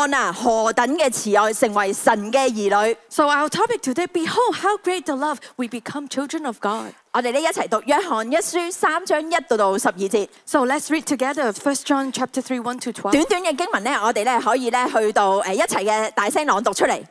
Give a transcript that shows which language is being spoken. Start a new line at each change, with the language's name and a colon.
Chinese: 所以我们一起去看今天的经文我们的题目就是看啊何等的慈爱成为神的儿女
English: So our topic today, behold how great the love we become children of God
Chinese: 我们一起读约翰一书3章1-12节
English: So let's read together 1 John chapter 3, 1-12
Chinese: 短短的经文我们可以去到一起大声朗读出来